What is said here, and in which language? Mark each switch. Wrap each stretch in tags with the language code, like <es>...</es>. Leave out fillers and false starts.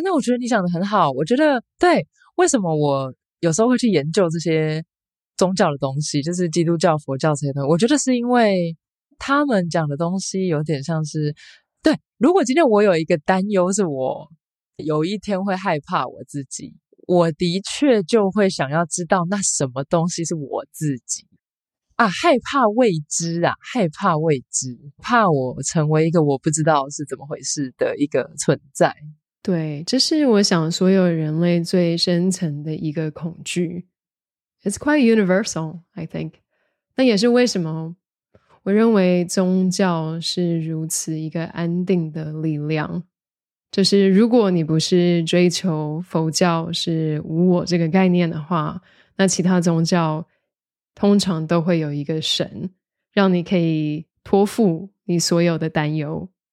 <zh>那我觉得你讲的很好，我觉得对。为什么我有时候会去研究这些宗教的东西，就是基督教佛教这些东西，我觉得是因为他们讲的东西有点像是，对，如果今天我有一个担忧是我有一天会害怕我自己，我的确就会想要知道那什么东西是我自己啊，害怕未知啊，害怕未知，怕我成为一个我不知道是怎么回事的一个存在。对，这是我想所有人类最深层的一个恐惧。</zh> <en>It's quite universal, I think.</en> <zh>那也是为什么我认为宗教是如此一个安定的力量。就是如果你不是追求佛教是无我这个概念的话，那其他宗教通常都会有一个神，让你可以托付你所有的担忧。</zh>